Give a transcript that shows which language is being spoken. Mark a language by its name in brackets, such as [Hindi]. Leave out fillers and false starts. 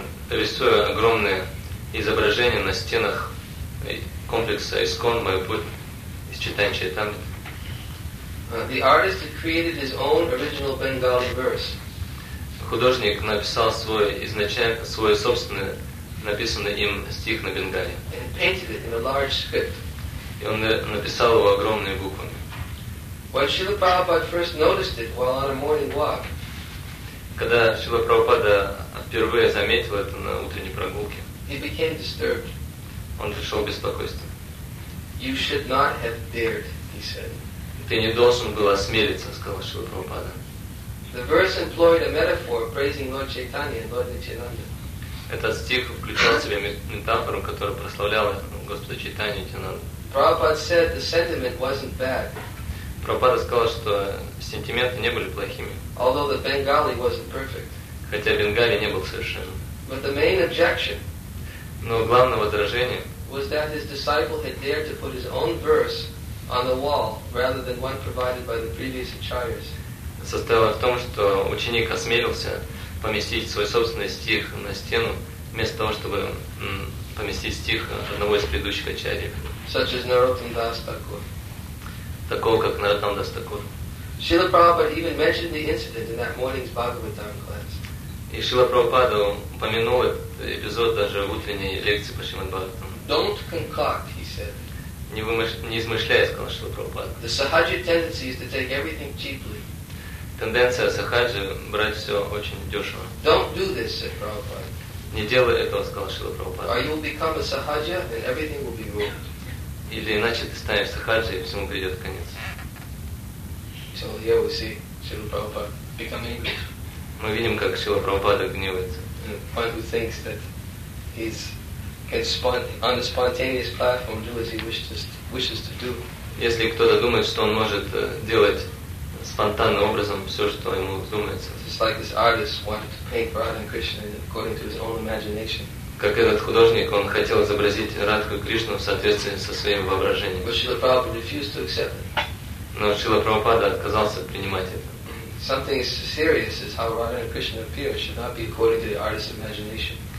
[Russian] Рисуя огромные изображения на стенах комплекса Искон Майяпур из Чайтанья Чаритамриты. [English] The artist had created his own original Bengali verse. [Russian] Художник написал свой собственный написанный им стих на Бенгали. [English] And painted it in a large script. [Russian] И он написал его огромными буквами. [English] When Srila Prabhupada first noticed it while on a morning walk. [Russian] Когда Шрила Прабхупада впервые заметил это на утренней прогулке, [English] he became disturbed. [Russian] Он пришел в беспокойство. [English] You should not have dared, he said. [Russian] Ты не должен был осмелиться, сказал Шрила Прабхупада. [English] The verse employed a metaphor praising Lord Chaitanya and Lord Nityananda. [Russian] Этот стих включал в себя метафору, которая прославляла Господа Чайтанью и Нитянанду. [English] Prabhupada said the sentiment wasn't bad. [Russian] Прабхупада сказал, что сентименты не были плохими. [English] Although the Bengali wasn't perfect. [Russian] Хотя Бенгали не был совершенным. [English] But the main objection. [Russian] Но главное возражение. [English] Was that his disciple had dared to put his own verse on the wall rather than one provided by the previous acharyas. [Russian] Состояло в том, что ученик осмелился поместить свой собственный стих на стену вместо того, чтобы поместить стих одного из предыдущих ачарьев. [English] Such as Narottam Das Thakur. [Russian] Такого как Narottam Das Thakur. [English] Srila Prabhupada even mentioned the incident in that morning's Bhagavatam class. [Russian] И Шрила Прабхупада упомянул этот эпизод даже в утренней лекции по Шримад Бхагаватам. [English] Don't concoct, he said. [Russian] Не измышляй, сказал Шрила Прабхупада. [English] The sahaja tendency is to take everything cheaply. [Russian] Тенденция сахаджи брать все очень дешево. [English] Don't do this, said Prabhupada. [Russian] Не делай этого, сказал Шрила Прабхупада. [English] Or you will become a sahaja and everything will be ruined. [Russian] Или иначе ты станешь сахаджи и всему придет конец. [English] So here we see Srila Prabhupada become English. [Russian] Мы видим, как Шрила Прабхупада гневается. [English] One who thinks that he's on a spontaneous platform do as he wishes to do. [Russian] Если кто-то думает, что он может делать спонтанным образом все, что ему думается. [English] Just like this artist wanted to paint Radha and Krishna according to his own imagination. [Russian] Как этот художник, он хотел изобразить Радху и Кришну в соответствии со своим воображением. [English] But Srila Prabhupada refused to accept it. [Russian] Но Шрила Прабхупада отказался принимать это. [English] Something serious is how Radha and Krishna appear. It should not be according to the artist's imagination.